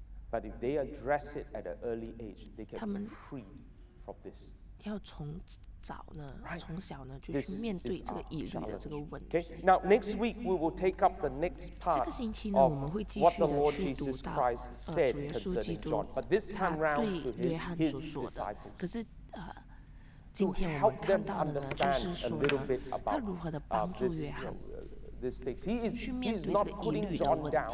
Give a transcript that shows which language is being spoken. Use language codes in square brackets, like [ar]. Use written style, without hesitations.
[en] But if they address it at an early age, they can be free from this. [zh] 要从早呢，从小呢，就去面对这个疑虑的这个问题。 [en] Okay. Now next week we will take up the next part of what the Lord Jesus Christ said concerning John. But this time round, to his disciples. [zh] 可是今天我们看到的呢，就是说呢，他如何的帮助约翰去面对这个疑虑的问题。